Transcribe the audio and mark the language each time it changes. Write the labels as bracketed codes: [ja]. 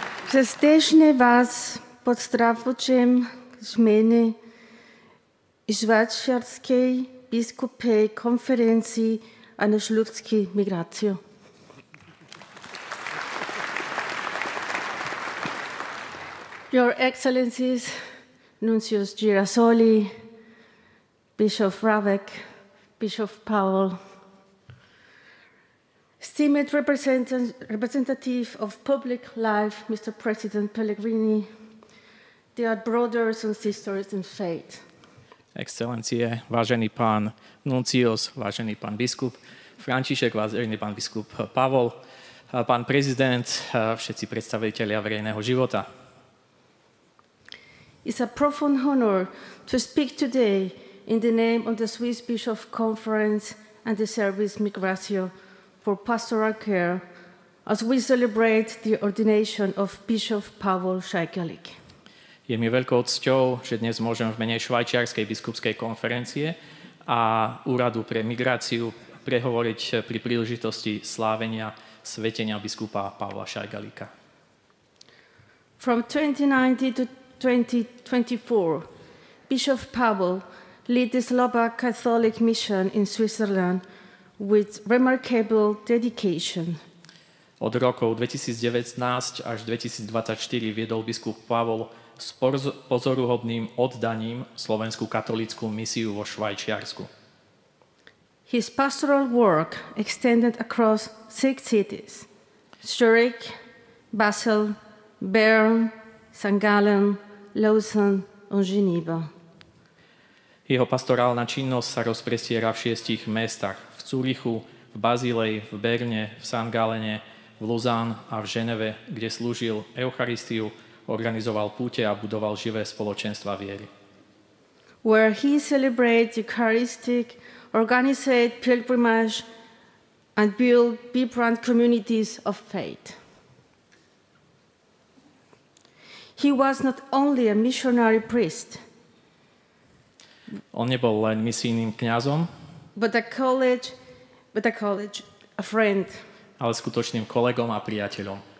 [sk] Srdečne vás pozdravujem z mene Švajčiarskej biskupskej konferencii a na ľudskú migráciu. [en] Your Excellencies, Nuncius Girasoli, Bishop Ravek, Bishop Powell, esteemed representative of public life, Mr. President Pellegrini, dear brothers and sisters in faith. [sk] Excelencie, vážený pán Nuncios, vážený pán biskup František, vážený pán biskup Powell, pán prezident, všetci predstavitelia verejného života. [en] It's a profound honor to speak today in the name of the Swiss Bishop Conference and the Service Migratio for Pastoral Care, as we celebrate the ordination of Bishop Pavol Šajkalik. [sk] Je mi veľkou cťou, že dnes môžem v mene Švajčiarskej biskupskej konferencie a Úradu pre migráciu prehovoriť pri príležitosti slávenia svetenia biskupa Pavla Šajkalika. [en] From 2019 to 2024, Bishop Pavol lead the Slovak Catholic mission in Switzerland with remarkable dedication. [sk] Od rokov 2019 až 2024 viedol biskup Pavol s pozoruhodným oddaním slovenskú katolickú misiu vo Švajčiarsku. [en] His pastoral work extended across 6 cities: Zurich, Basel, Bern, St. Gallen, Lausanne and Geneva. [sk] Jeho pastorálna činnosť sa rozprestiera v 6 mestách: v Curychu, v Bazileji, v Berne, v St. Gallene, v Lausanne a v Ženeve, kde slúžil Eucharistiu, organizoval púte a budoval živé spoločenstva viery. [en] Where he celebrates Eucharistic, organizes pilgrimage and build vibrant communities of faith. He was not only a missionary priest. [sk] On nebol len misijným kňazom, [en] but a friend. [sk] Ale skutočným kolegom a priateľom.